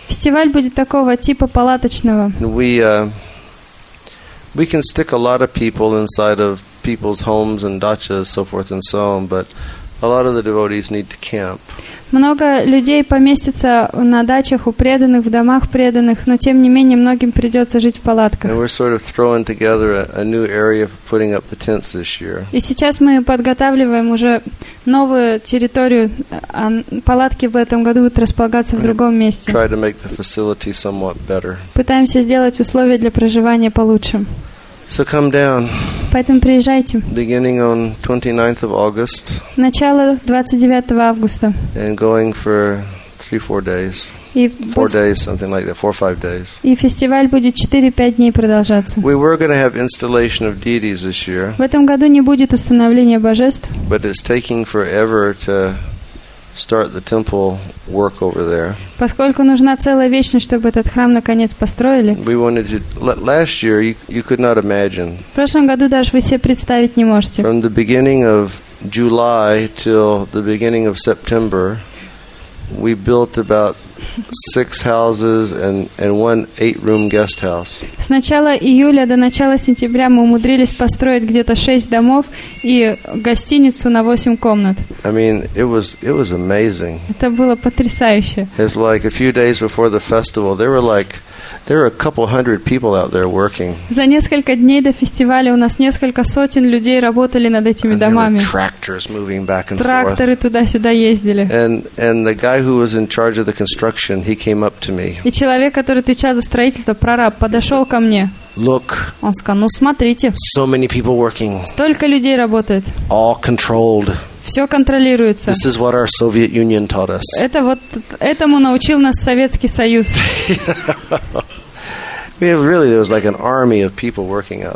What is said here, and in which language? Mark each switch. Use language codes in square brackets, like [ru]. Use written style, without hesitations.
[ru] Фестиваль будет такого типа палаточного. [en] We can stick a lot of people inside of people's homes and dachas, so forth and so on, but a lot of the devotees need to camp. [ru] Много людей поместится на дачах у преданных, в домах преданных, но тем не менее многим придется жить в палатках. [en] And we're sort of throwing together a new area for putting up the tents this year. [ru] И сейчас мы подготавливаем уже новую территорию, а палатки в этом году будут располагаться в другом месте. [en] Try to make the facility somewhat better. [ru] Пытаемся сделать условия для проживания получше. [en] So come down. [ru] Поэтому приезжайте. [en] Beginning on 29th of August. [ru] Начало 29 августа. [en] And going for 3-4 days. Four or five days. [ru] И фестиваль будет 4-5 дней продолжаться. [en] We were going to have installation of deities this year. [ru] В этом году не будет установления божеств. [en] But it's taking forever to start the temple work over there. [ru] Поскольку нужна целая вечность, чтобы этот храм наконец построили. [en] We wanted to, last year you could not imagine. [ru] В прошлом году даже вы себе представить не можете. [en] From the beginning of July till the beginning of September, we built about 6 houses and one 8-room guest house. [ru] С начала июля до начала сентября мы умудрились построить где-то 6 домов и гостиницу на 8 комнат. [en] I mean, it was amazing. [ru] Это было потрясающе. [en] It's like a few days before the festival, there were a couple hundred people out there working. [ru] За несколько дней до фестиваля у нас несколько сотен людей работали над этими домами. [en] Tractors moving back and [ru] Тракторы туда-сюда ездили. [en] And the guy who was in charge of the construction, he came up to me. [ru] И человек, который отвечал за строительство, прораб, подошел ко мне. [en] Look. [ru] Он сказал: "Ну, смотрите. [en] So many people working. [ru] Столько людей работает. [en] All controlled. [ru] Все контролируется. [en] This is what our Soviet Union taught us. [ru] Это вот этому научил нас Советский Союз. [en] Really, there was like an army of people working out.